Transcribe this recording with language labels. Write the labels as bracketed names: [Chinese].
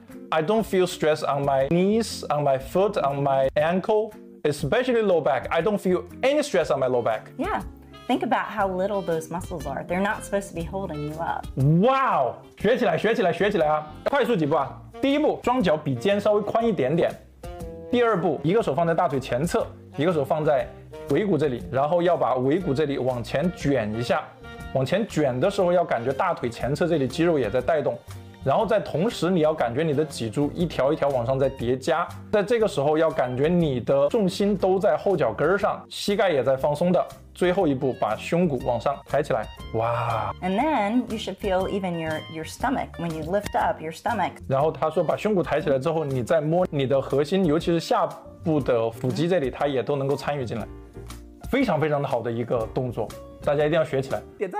[English] I don't feel stress on my knees, on my foot, on my ankle, especially low back. I don't feel any stress on my low back. Yeah. Think about how little those muscles are. They're not supposed to be holding you up. Wow! [Chinese] 学起来，学起来，学起来啊！快速几步啊！第一步，双脚比肩稍微宽一点点。第二步，一个手放在大腿前侧，一个手放在尾骨这里，然后要把尾骨这里往前卷一下。往前卷的时候要感觉大腿前侧这里肌肉也在带动，然后在同时你要感觉你的脊柱一条一条往上在叠加，在这个时候要感觉你的重心都在后脚跟上，膝盖也在放松的。最后一步，把胸骨往上抬起来。哇 [English] ！And then you should feel even your stomach when you lift up your stomach. [Chinese] 然后他说，把胸骨抬起来之后，你再摸你的核心，尤其是下部的腹肌这里，它也都能够参与进来。非常非常的好的一个动作，大家一定要学起来。点赞。